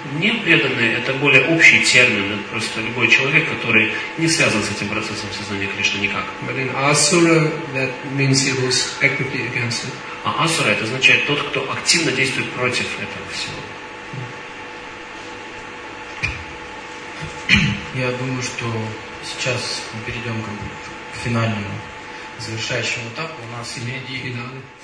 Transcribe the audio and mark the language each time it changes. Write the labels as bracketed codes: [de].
[ru] Непреданный — это более общий термин, это просто любой человек, который не связан с этим процессом сознания Кришны никак. [en] But in asura, that means he was actively against it. [ru] А асура — это означает тот, кто активно действует против этого всего. Я думаю, что сейчас мы перейдем к финальному, завершающему этапу. У нас впереди финалы.